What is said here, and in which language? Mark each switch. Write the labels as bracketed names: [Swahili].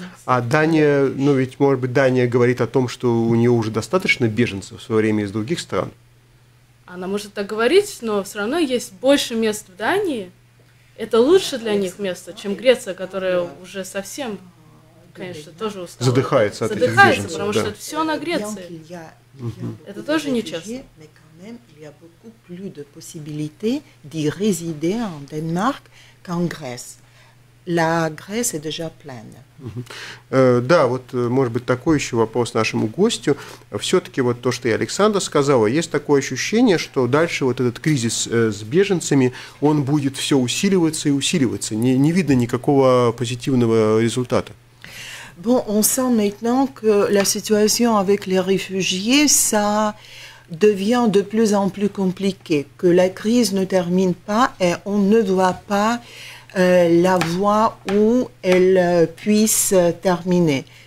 [Russian] А Дания, ну ведь, может быть, Дания говорит о том, что у нее уже достаточно беженцев в свое время из других стран? Она может так говорить, но все равно есть больше мест в Дании. Это лучше для них место, чем Греция, которая уже совсем, конечно, тоже устала. Задыхается от этих беженцев. Задыхается, потому что это все на Греции. Это тоже нечестно. [French] Il y a beaucoup plus de possibilités d'y résider en Danemark qu'en Grèce. La Grèce est déjà pleine. [Russian] Да, вот, может быть, такой еще вопрос нашему гостю. Все-таки вот то, что и Александр сказала, есть такое ощущение, что дальше вот этот кризис с беженцами, он будет все усиливаться и усиливаться. Не видно никакого позитивного результата. [French] Bon, on sent maintenant que la situation avec les réfugiés, ça devient de plus en plus compliqué, que la crise ne termine pas et on ne voit pas la voie où elle puisse terminer.